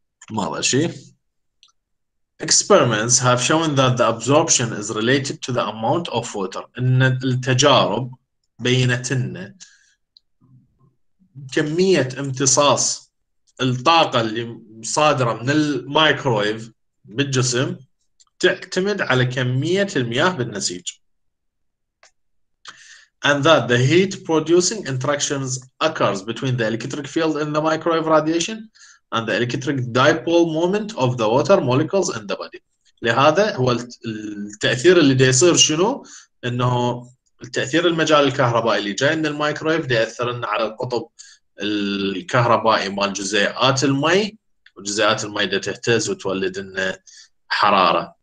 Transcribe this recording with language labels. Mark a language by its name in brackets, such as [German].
[Arabic] ماذا شيء؟ [English] Experiments have shown that the absorption is related to the amount of water. [Arabic] إن التجارب بينت إن كمية امتصاص الطاقة اللي صادرة من المايكرويف بالجسم تعتمد على كمية المياه بالنسيج. [English] And that the heat producing interactions occurs between the electric field in the microwave radiation and the electric dipole moment of the water molecules in the body. [Arabic] لهذا هو التأثير اللي دي يصير شنو؟ انه التأثير المجال الكهربائي اللي جاي من المايكرويف دي يأثر لنا على القطب الكهربائي مال جزيئات المي، وجزيئات المي دي تهتز وتولد لنا حرارة.